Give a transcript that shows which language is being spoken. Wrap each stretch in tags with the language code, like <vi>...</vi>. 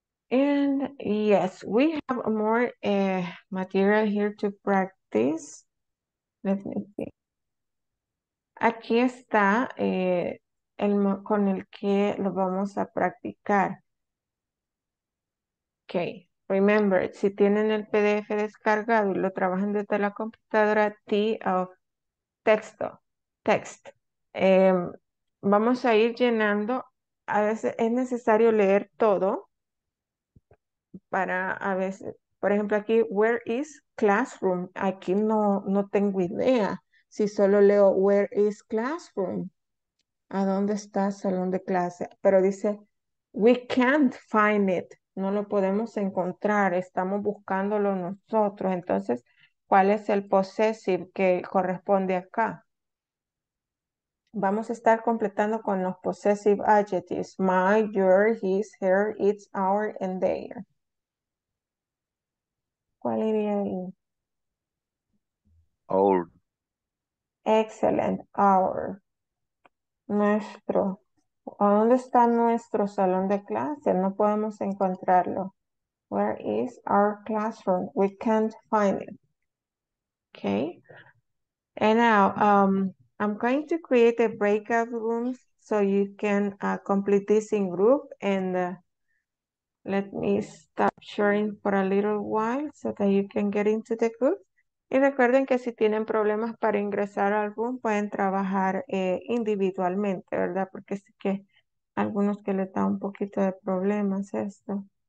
<en>And yes, we have more material here to practice. Let me see.</en> <es>Aquí está el con el que lo vamos a practicar. Okay.</es> <en>Remember,</en> <es>si tienen el PDF descargado y lo trabajan desde la computadora,</es> <en>text.</en> <es>Vamos a ir llenando. A veces es necesario leer todo para a veces, por ejemplo, aquí,</es> <en>where is classroom?</en> <es>Aquí no tengo idea. Si solo leo,</es> <en>where is classroom?</en> <es>¿A dónde está salón de clase? Pero dice,</es> <en>we can't find it.</en> <es>No lo podemos encontrar, estamos buscándolo nosotros. Entonces, ¿cuál es el possessive que corresponde acá? Vamos a estar completando con los possessive adjectives.</es> <en>My, your, his, her, its, our, and their.</en> <es>¿Cuál iría ahí?</es> <en>Our. Excellent, our.</en> <es>Nuestro. ¿Dónde está nuestro salón de clase? No podemos encontrarlo.</es> <en>Where is our classroom? We can't find it. Okay. And now I'm going to create a breakout room so you can complete this in group. And let me stop sharing for a little while so that you can get into the group.</en> <es>Y recuerden que si tienen problemas para ingresar al room, pueden trabajar individualmente, ¿verdad? Porque sí que algunos que les da un poquito de problemas esto.</es>